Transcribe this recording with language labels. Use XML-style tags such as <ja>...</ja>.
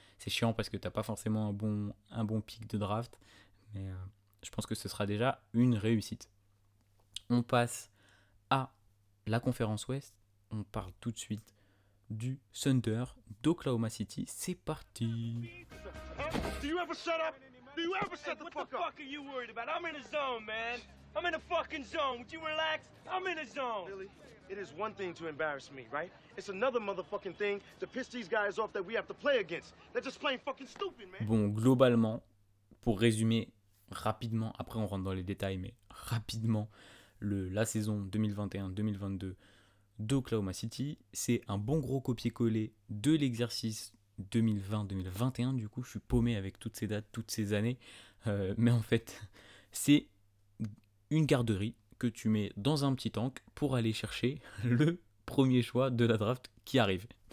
<fr>C'est chiant parce que t'as pas forcément un bon pic de draft. Mais je pense que ce sera déjà une réussite. On passe à la conférence Ouest. On parle tout de suite du Thunder d'Oklahoma City. C'est parti!</fr> <en>Do you ever shut up? Do you ever shut the fuck up? What the fuck are you worried about? I'm in a zone, man. I'm in a fucking zone. Would you relax? I'm in a zone. Really? It is one thing to embarrass me, right? It's another motherfucking thing to piss these guys off that we have to play against. They're just playing fucking stupid, man.</en> <fr>Bon, globalement, pour résumer rapidement, après on rentre dans les détails, mais rapidement, la saison 2021-2022 d'Oklahoma City, c'est un bon gros copier-coller de l'exercice 2020-2021. Du coup, je suis paumé avec toutes ces dates, toutes ces années. Mais en fait, c'est une garderie que tu mets dans un petit tank pour aller chercher le premier choix de la draft qui arrive.</fr>